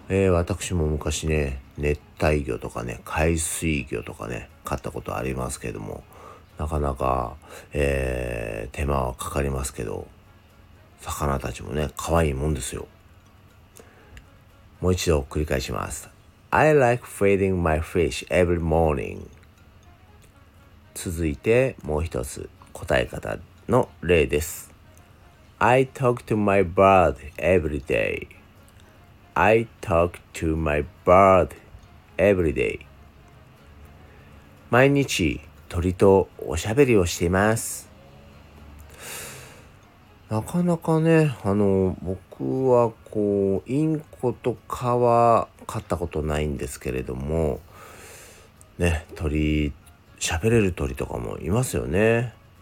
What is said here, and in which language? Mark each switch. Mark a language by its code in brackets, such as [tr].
[ja] 私も昔ね、熱帯魚とかね、海水魚とかね、飼ったことありますけども、なかなか、手間はかかりますけど、魚たちもね可愛いもんですよ。もう一度繰り返します。 [en] I like feeding my fish every morning. [ja] 続いてもう一つ答え方の例です。 [en] I talk to my bird every day. I talk to my bird every day. [ja] 毎日鳥とおしゃべりをしています。なかなかね、僕はこうインコとかは飼ったことないんですけれどもね、鳥、喋れる鳥とかもいますよね。